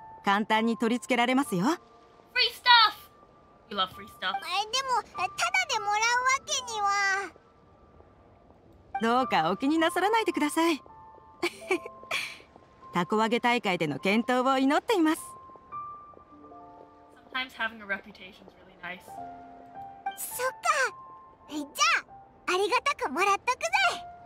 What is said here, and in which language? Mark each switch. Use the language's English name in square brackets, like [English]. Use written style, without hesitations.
[Japanese] 簡単に取り付けられますよ。 [English] Free stuff! You love free stuff. [Japanese] でも、ただでもらうわけには。どうかお気になさらないでください。タコ揚げ大会での健闘を祈っています。 [English] Sometimes having a reputation is really nice. [Japanese] そっか、じゃあありがたくもらっとくぜ。